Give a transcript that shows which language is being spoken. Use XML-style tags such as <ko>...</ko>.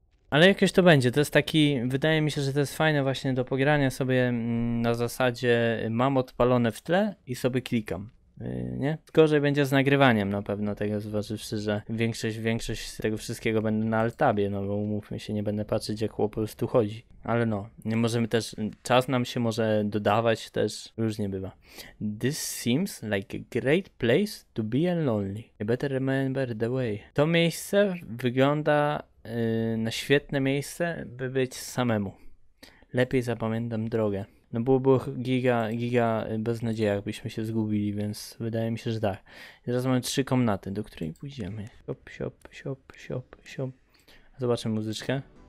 <pl>Ale jakoś to będzie, to jest taki, wydaje mi się, że to jest fajne właśnie do pogrania sobie na zasadzie mam odpalone w tle i sobie klikam. Nie? Gorzej będzie z nagrywaniem na pewno, tego zważywszy, że większość tego wszystkiego będę na altabie, no bo umówmy się, nie będę patrzeć jak chłop po prostu chodzi. Ale no, nie możemy też, czas nam się może dodawać też, różnie bywa.</pl> <en>This seems like a great place to be lonely. You better remember the way.</en> <pl>To miejsce wygląda na świetne miejsce, by być samemu. Lepiej zapamiętam drogę. No byłoby giga beznadzieja, jakbyśmy się zgubili, więc wydaje mi się, że tak. Teraz mamy trzy komnaty, do której pójdziemy. Siop, siop, siop, siop, siop. Zobaczmy muzyczkę.</pl>